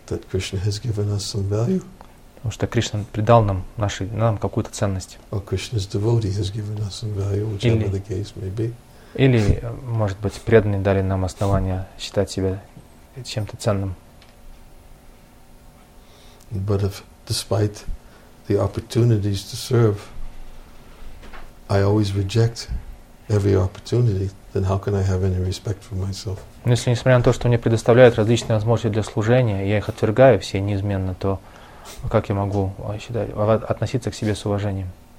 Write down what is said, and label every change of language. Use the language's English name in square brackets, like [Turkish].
[English] That Krishna has given us some value. [Russian] Потому что Кришна придал нам какую-то ценность. [English] Or Krishna's devotee has given us some value, whichever the case may be. [Russian] Или, может быть, преданные дали нам основания считать себя чем-то ценным. [English] But if, despite the opportunities to serve, I always reject every opportunity, then how can I have any respect for myself? [Russian] Но если, несмотря на то, что мне предоставляют различные возможности для служения, я их отвергаю все неизменно, то как я могу относиться к себе с уважением?